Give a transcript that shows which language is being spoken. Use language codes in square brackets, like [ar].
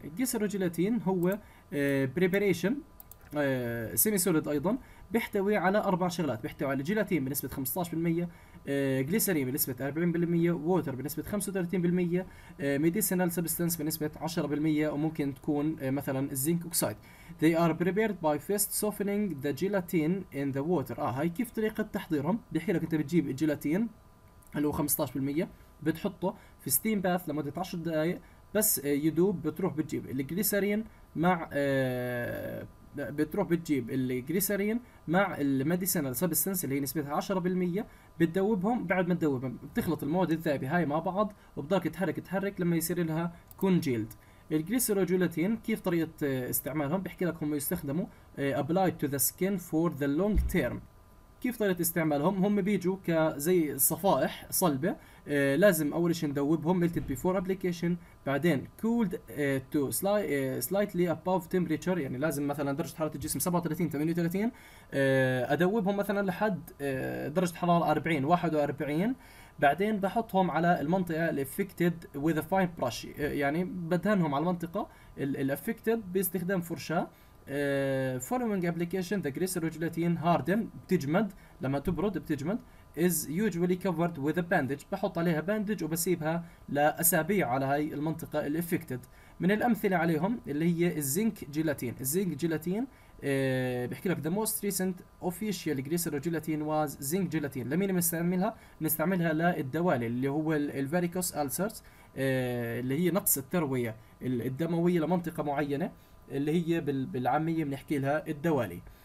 [ar] الجليسيروجيلاتين هو بريبريشن سيمي سوليد ايضا، بيحتوي على اربع شغلات. بيحتوي على جيلاتين بنسبه 15%، جليسرين بنسبه 40%، ووتر بنسبه 35%، ميديسينال سبستنس بنسبه 10%، وممكن تكون مثلا الزنك اوكسايد. [en] they are prepared by first softening the gelatin in the water. [ar] هاي كيف طريقه تحضيرهم؟ بيحكي لك انت بتجيب الجيلاتين اللي هو 15% بتحطه في ستيم باث لمده 10 دقائق بس يدوب، بتروح بتجيب الجليسرين مع بتروح بتجيب الجليسرين مع الميديسينال سبستنس اللي هي نسبتها 10%، بتدوبهم. بعد ما تدوبهم بتخلط المواد الذائبة هاي مع بعض وبضلك تحرك لما يصير لها كونجيلد. الجليسيروجيلاتين كيف طريقة استعمالهم؟ بحكي لك هم يستخدموا [en] applied to the skin for the long term. [ar] كيف طريقة استعمالهم؟ هم بيجوا كزي صفائح صلبة، لازم أول شيء ندوبهم [en] melted before application، [ar] بعدين [en] cooled to slightly above temperature، [ar] يعني لازم مثلا درجة حرارة الجسم 37-38، أدوبهم مثلا لحد درجة حرارة 40-41، بعدين بحطهم على المنطقة [en] affected with a fine brush، [ar] يعني بدهنهم على المنطقة affected باستخدام فرشاة. [en] following application the glycerogelatin harden [ar] بتجمد، لما تبرد بتجمد. [en] is usually covered with a bandage، [ar] بحط عليها bandage وبسيبها لأسابيع على هاي المنطقة ال affected. من الأمثلة عليهم اللي هي الزنك جيلاتين. [en] الزنك جيلاتين [ar] بحكي لك [en] the most recent official glycerogelatin was zinc gelatin. [ar] لمين بنستعملها؟ بنستعملها للدوالي اللي هو ال varicose ulcers، اللي هي نقص التروية الدموية لمنطقة معينة اللي هي بالعامية بنحكي لها الدوالي.